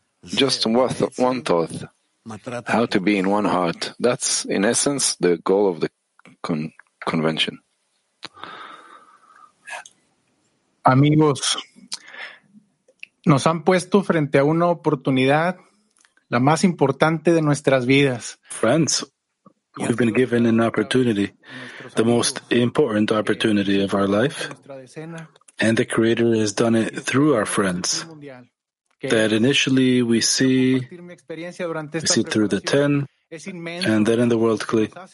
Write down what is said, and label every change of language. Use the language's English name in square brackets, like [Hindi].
[English] Just one thought, how to be in one heart. That's, in essence, the goal of the convention. [Spanish] Amigos, nos han puesto frente a una oportunidad, la más importante de nuestras vidas. [English] Friends, we've been given an opportunity, the most important opportunity of our life, and the Creator has done it through our friends. That initially we see through the 10, and then in the world clay.